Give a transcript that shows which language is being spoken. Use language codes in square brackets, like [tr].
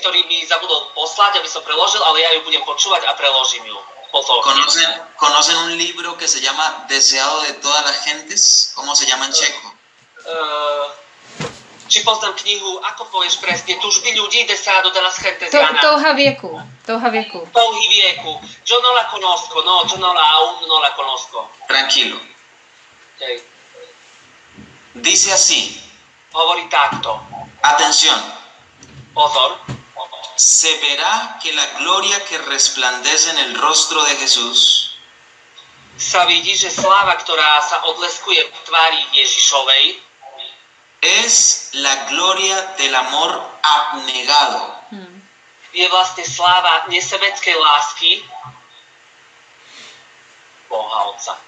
[sk] Ktorý mi zabudol poslať, aby som preložil, ale ja ju budem počúvať a preložím ju. [es] ¿Conocen un libro que se llama Deseado de todas las gentes? ¿Cómo se llama en checo? [sk] Či poznám knihu, ako povieš presne, Túžby ľudí, Deseado de las gentes, Jana. [cs] Touha vieku. [es] Yo no la conozco, no, yo no la aún no la conozco. Tranquilo. Dice así. [sk] Hovorí takto. [es] Atención. [sk] Pozor. [es] Se verá que la gloria que resplandece en el rostro de Jesús [sk] sa vidí, že sláva, ktorá sa odleskuje v tvári Ježišovej [es] es la gloria del amor abnegado. [sk] Je vlastne sláva nesebeckej lásky Boha Otca.